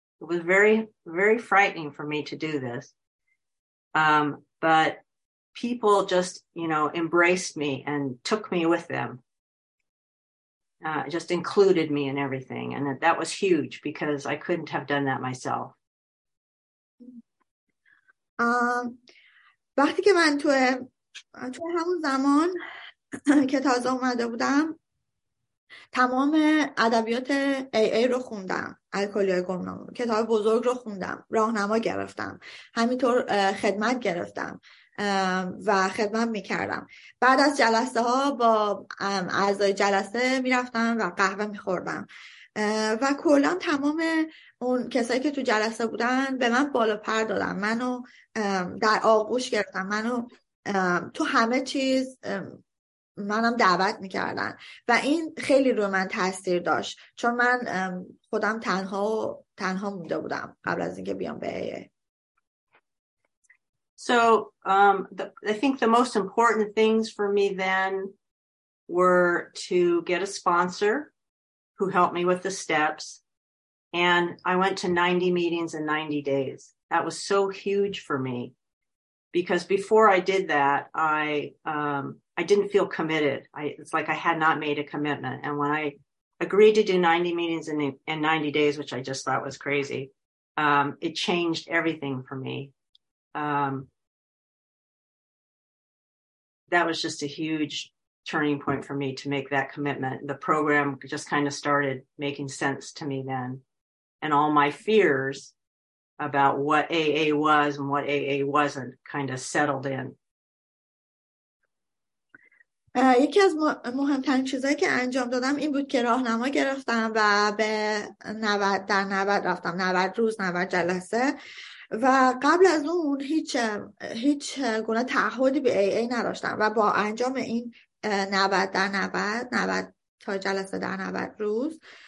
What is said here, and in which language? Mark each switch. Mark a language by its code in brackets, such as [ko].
[en] It was very, very frightening for me to do this. But people just, you know, embraced me and took me with them. Just included me in everything. And that was huge because I couldn't have done that myself. [fa] وقتی که من تو همون زمان که تازه اومده بودم تمام ادبیات AA رو خوندم، الکلیای گمنام، کتاب بزرگ رو خوندم، راهنما گرفتم، همینطور خدمت گرفتم و خدمت میکردم. بعد از جلسه ها با اعضای جلسه میرفتم و قهوه میخوردم و کلان تمام اون کسایی که تو جلسه بودن به من بالا پر دادن، منو در آغوش گرفتن، منو تو همه چیز منم دعوت میکردن و این خیلی رو من تاثیر داشت چون من خودم تنها مونده بودم قبل از اینکه بیام به ایه. [en] So I think the most important things for me then were to get a sponsor who helped me with the steps. And I went to 90 meetings in 90 days. That was so huge for me. Because before I did that, I didn't feel committed. It's like I had not made a commitment. And when I agreed to do 90 meetings in 90 days, which I just thought was crazy, it changed everything for me. That was just a huge turning point for me to make that commitment. The program just kind of started making sense to me then. And all my fears about what AA was and what AA wasn't kind of settled in. [fa] یکی از مهمترین چیزایی که انجام دادم این بود که راهنما گرفتم و به 90 رفتم، 90 روز 90 جلسه و قبل از اون هیچ گونه تعهدی به AA نداشتم و با انجام این 90 تا جلسه در 90 روز